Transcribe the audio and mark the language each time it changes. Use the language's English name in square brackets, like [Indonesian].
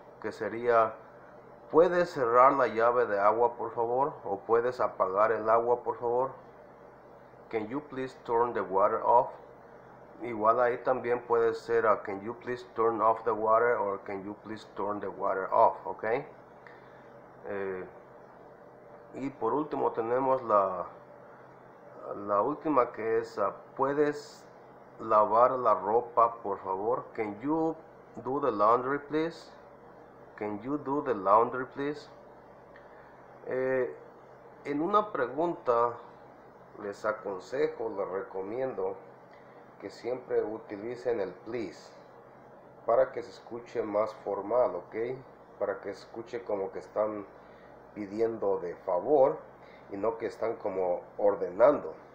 [Spanish] Que sería, ¿puedes cerrar la llave de agua, por favor? ¿O puedes apagar el agua, por favor? [English] Can you please turn the water off? [Spanish] Igual ahí también puede ser, [English] can you please turn off the water? Or can you please turn the water off, ¿ok? [Spanish] Y por último tenemos La última que es, ¿puedes lavar la ropa, por favor? [English] Can you do the laundry, please? Can you do the laundry, please? [Spanish] En una pregunta, les aconsejo, les recomiendo que siempre utilicen el please para que se escuche más formal, ¿ok? Para que escuche como que están pidiendo de favor y no que están como ordenando.